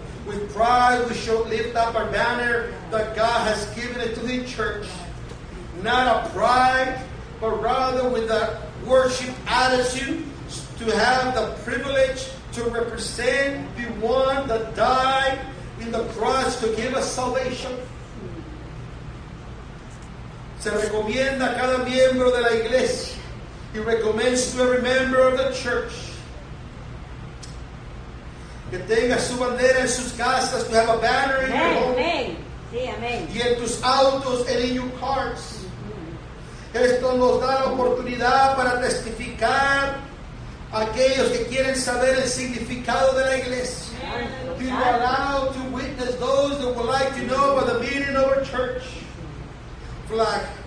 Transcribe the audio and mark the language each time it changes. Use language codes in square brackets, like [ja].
[en] With pride we shall lift up our banner that God has given it to the church. Not a pride, but rather with a worship attitude, to have the privilege to represent the one that died in the cross to give us salvation. [es] Se recomienda a cada miembro de la iglesia. [en] He recommends to every member of the church [es] que tenga su bandera en sus casas, [en] to have a banner in your home. [es] Amen. Sí, amen. Y en tus autos, [en] and in your cars. [es] Esto nos da la oportunidad para testificar a aquellos que quieren saber el significado de la iglesia. [en] To be allowed to witness those that would like to know about the meaning of our church flag.